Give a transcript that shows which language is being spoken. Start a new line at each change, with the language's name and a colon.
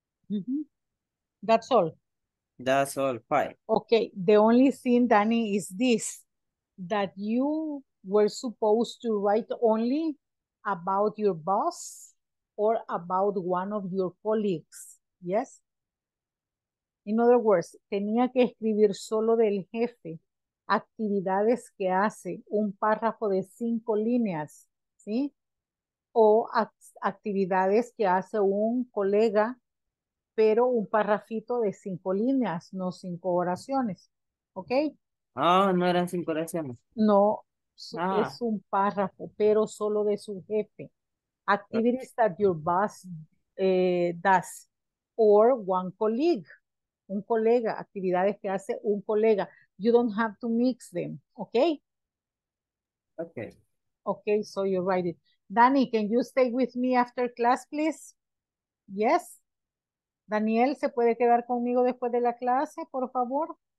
English: Mm-hmm. That's all. That's all, five. Okay, the only thing, Danny, is this, that you were supposed to write only about your boss or about one of your colleagues, yes? In other words,
Spanish: tenía que escribir solo del jefe, actividades que hace, un párrafo de 5 líneas, ¿sí? O actividades que hace un colega, pero un párrafito de 5 líneas, no 5 oraciones, ¿ok? Ah, oh, no eran 5 oraciones. No, ah. Es un párrafo, pero solo de su jefe.
English: Activities that your boss does, or one colleague,
Spanish: un colega, actividades que hace un colega.
English: You don't have to mix them, okay? Okay. Okay, so you write it. Danny, can you stay with me after class, please? Yes?
Spanish: Daniel, ¿se puede quedar conmigo después de la clase, por favor?